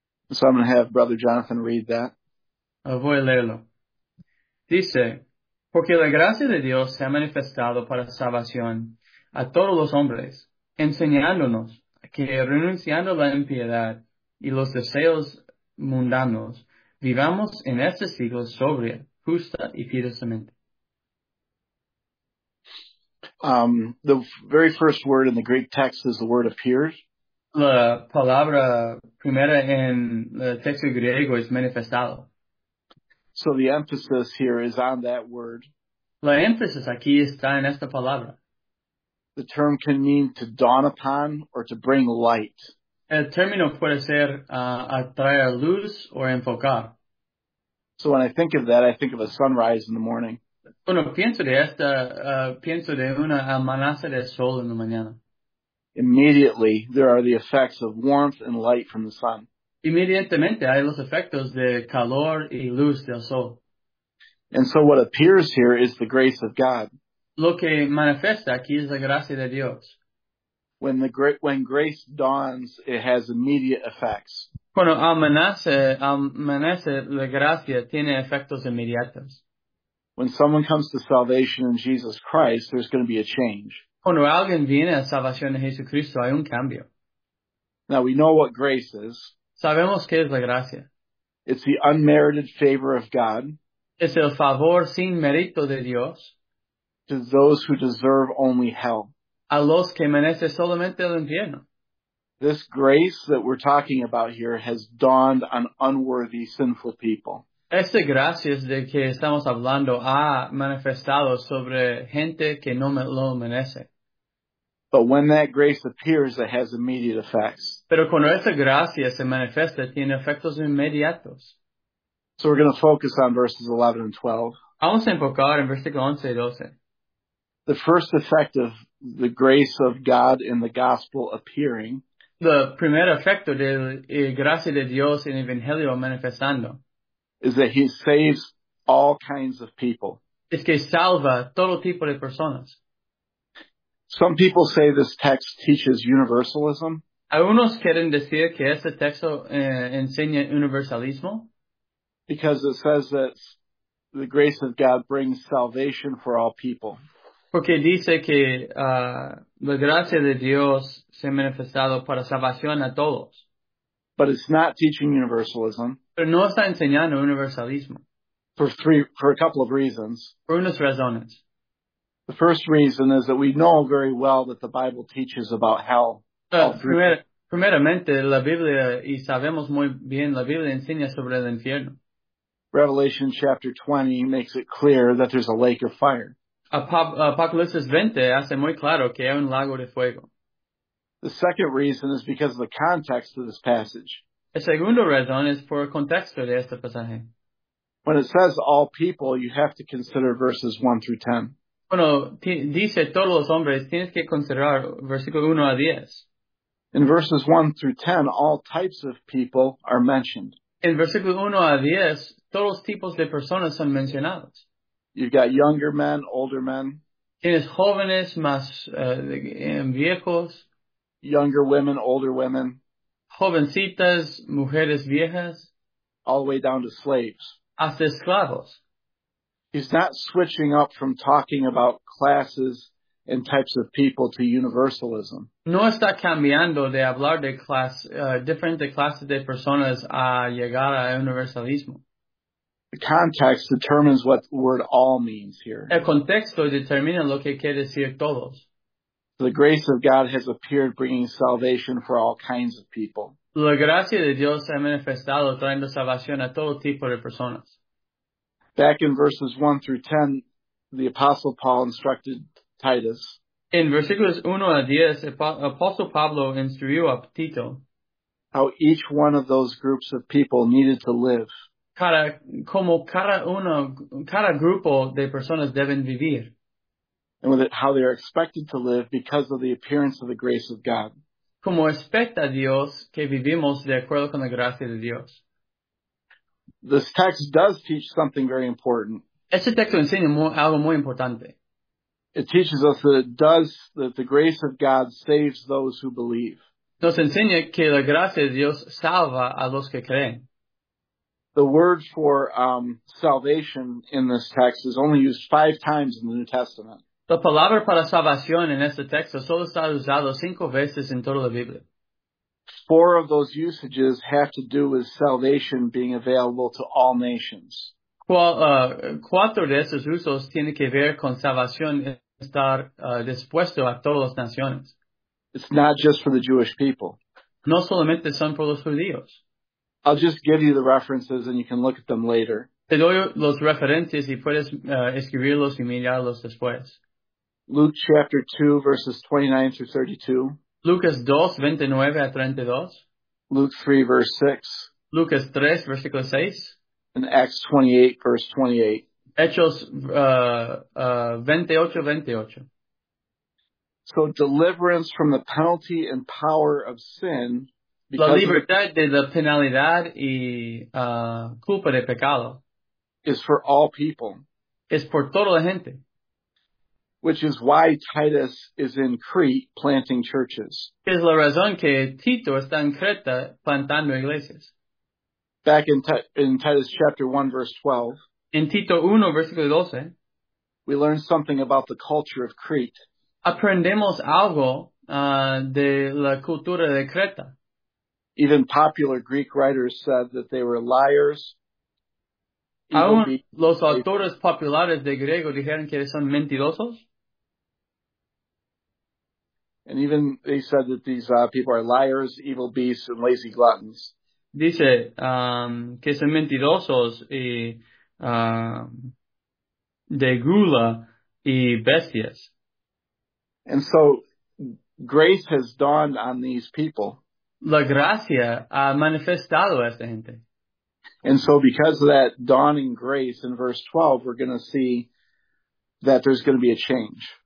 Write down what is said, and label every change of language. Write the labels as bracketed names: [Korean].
[English] So I'm going to have Brother Jonathan read that. [Spanish] Voy a leerlo. Dice, porque la gracia de Dios se ha manifestado para salvación a todos los hombres, enseñándonos que renunciando a la impiedad y los deseos mundanos, vivamos en este siglo sobria, justa y piadosamente. [English] The very first word in the Greek text is the word appears. [Spanish] La palabra primera en el texto griego es manifestado. [English] So the emphasis here is on that word. [Spanish] La énfasis aquí está en esta palabra. [English] The term can mean to dawn upon or to bring light. [Spanish] El término puede ser atraer luz o enfocar. [English] So when I think of that, I think of a sunrise in the morning. [Spanish] Bueno, pienso de esta, pienso de una amanecer de sol en la mañana. [English] Immediately, there are the effects of warmth and light from the sun. [Spanish] Inmediatamente hay los efectos de calor y luz del sol. [English] And so what appears here is the grace of God. [Spanish] Lo que manifiesta aquí es la gracia de Dios. [English] When grace dawns, it has immediate effects. [Spanish] Cuando amanece, la gracia tiene efectos inmediatos. [English] When someone comes to salvation in Jesus Christ, there's going to be a change. [Spanish] Cuando alguien viene a salvación en Jesucristo, hay un cambio. [English] Now, we know what grace is. [Spanish] Sabemos qué es la gracia. [English] It's the unmerited favor of God. [Spanish] Es el favor sin mérito de Dios. [English] To those who deserve only hell. [Spanish] A los que merecen solamente el infierno. [English] This grace that we're talking about here has dawned on unworthy, sinful people. [Spanish] Esta gracia de que estamos hablando ha manifestado sobre gente que no lo merece. [English] But when that grace appears, it has immediate effects. [Spanish] Pero cuando esta gracia se manifiesta, tiene efectos inmediatos. [English] So we're going to focus on verses 11 and 12. [Spanish] Vamos a enfocar en versículos 11 y 12. [English] The first effect of the grace of God in the gospel appearing. [Spanish] The primer efecto de la gracia de Dios en el evangelio manifestando. [English] Is that he saves all kinds of people. [Spanish] Es que salva todo tipo de personas. [English] Some people say this text teaches universalism. [Spanish] Algunos quieren decir que este texto enseña universalismo. [English] Because it says that the grace of God brings salvation for all people. [Spanish] Porque dice que la gracia de Dios se ha manifestado para salvación a todos. [English] But it's not teaching universalism. [Spanish] Pero no está enseñando universalismo. [English] For a couple of reasons. [Spanish] Por unas razones. [English] The first reason is that we know very well that the Bible teaches about hell. [Spanish] Primeramente, la Biblia, y sabemos muy bien, la Biblia enseña sobre el infierno. [English] Revelation chapter 20 makes it clear that there's a lake of fire. [Spanish] Apocalipsis 20 hace muy claro que hay un lago de fuego. [English] The second reason is because of the context of this passage. [Spanish] La segunda razón es por el contexto de este pasaje. [English] When it says all people, you have to consider verses 1 through 10. [Spanish] Cuando dice todos los hombres, tienes que considerar versículo 1 a 10. [English] In verses 1 through 10, all types of people are mentioned. [Spanish] En versículo 1 a 10, todos tipos de personas son mencionados. [English] You've got younger men, older men. [Spanish] Tienes jóvenes, más viejos. [English] Younger women, older women. [Spanish] Jovencitas, mujeres viejas. [English] All the way down to slaves. [Spanish] Hasta esclavos. [English] He's not switching up from talking about classes and types of people to universalism. [Spanish] No está cambiando de hablar de clase, diferentes clases de personas a llegar a universalismo. [English] The context determines what the word all means here. [Spanish] El contexto determina lo que quiere decir todos. [English] The grace of God has appeared, bringing salvation for all kinds of people. [Spanish] La gracia de Dios ha manifestado trayendo salvación a todo tipo de personas. [English] Back in verses 1 through 10, the Apostle Paul instructed Titus. [Spanish] En versículos 1 a 10, Apostle Pablo instruyó a Tito. [English] How each one of those groups of people needed to live. [Spanish] Cada grupo de personas deben vivir. [English] And with it, how they are expected to live because of the appearance of the grace of God. [Spanish] Como expecta Dios que vivimos de acuerdo con la gracia de Dios. [English] This text does teach something very important. [Spanish] Este texto enseña algo muy importante. [English] It teaches us that it does, that the grace of God saves those who believe. [Spanish] Nos enseña que la gracia de Dios salva a los que creen. [English] The word for salvation in this text is only used 5 times in the New Testament. [Spanish] La palabra para salvación en este texto solo está usado 5 veces en toda la Biblia. [English] 4 of those usages have to do with salvation being available to all nations. [Spanish] 4 de esos usos tiene que ver con salvación estar dispuesto a todas las naciones. [English] It's not just for the Jewish people. [Spanish] No solamente son por los judíos. [English] I'll just give you the references and you can look at them later. [Spanish] Te doy los referentes y puedes escribirlos y mirarlos después. [English] Luke chapter 2, verses 29 through 32. [Spanish] Lucas 2, 29 a 32. [English] Luke 3, verse 6. [Spanish] Lucas 3, versículo 6. [English] And Acts 28, verse 28. [Spanish] Hechos 28, 28. [English] So deliverance from the penalty and power of sin. [Spanish] La libertad de la penalidad y culpa de pecado. [English] Is for all people. [Spanish] Es por toda la gente. [English] Which is why Titus is in Crete planting churches. [Spanish] Es la razón que Tito está en Creta plantando iglesias. [English] Back in Titus chapter 1, verse 12. [Spanish] En Tito 1, versículo 12. [English] We learn something about the culture of Crete. [Spanish] Aprendemos algo de la cultura de Creta. [English] Even popular Greek writers said that they were liars. [Spanish] Aún los autores populares de griego dijeron que son mentirosos. [English] And even they said that these people are liars, evil beasts, and lazy gluttons. [Spanish] Dice que son mentirosos y de gula y bestias. [English] And so grace has dawned on these people. [Spanish] La gracia ha manifestado a esta gente. [English] And so because of that dawning grace in verse 12, we're going to see that there's going to be a change.